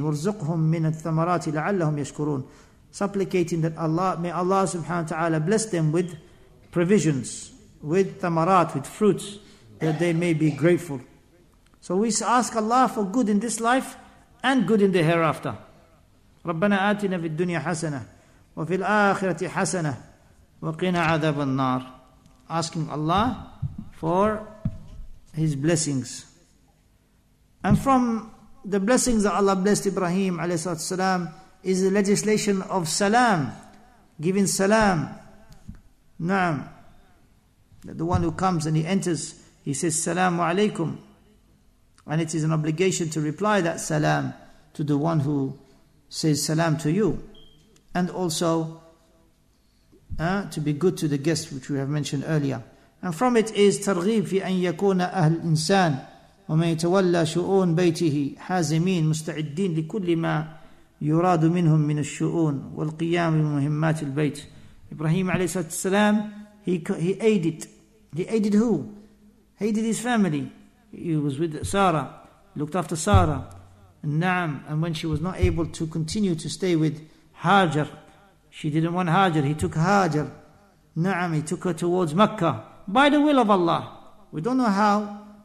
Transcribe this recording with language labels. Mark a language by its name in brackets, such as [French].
[Arabic] وَرْزُقْهُمْ مِنَ الثَّمَرَاتِ لَعَلَّهُمْ يَشْكُرُونَ [English] Supplicating that Allah, may Allah subhanahu wa ta'ala bless them with provisions, with thamarat, with fruits, that they may be grateful. So we ask Allah for good in this life and good in the hereafter. [Arabic] رَبَّنَا آتِنَا فِي الدُّنْيَا حَسَنَةً وَفِي الْآخِرَةِ حَسَنَةً وَقِنَا عَذَابَ النَّارِ [English] Asking Allah for His blessings. And from the blessings that Allah blessed Ibrahim alayhi salatu salam is the legislation of salam, giving salam. Naam. The one who comes and he enters, he says, Salamu alaykum. And it is an obligation to reply that salam to the one who says salam to you. And also to be good to the guest, which we have mentioned earlier. And from it is [Arabic] targhib fi an yakuna ahl insan. وَمَنْ يَتَوَلَّ شُؤُونَ بَيْتِهِ حَازِمِينَ مُسْتَعِدِّينَ لِكُلِّ مَا يُرَادُ مِنْهُمْ مِنَ الشُؤُونَ وَالْقِيَامِ مُهِمَّاتِ الْبَيْتِ [English] Ibrahim عليه الصلاة والسلام, he aided who? He aided his family. He was with Sarah, looked after Sarah. Naam, and when she was not able to continue to stay with Hajar, she didn't want Hajar, he took Hajar. Naam, he took her towards Mecca by the will of Allah. We don't know how.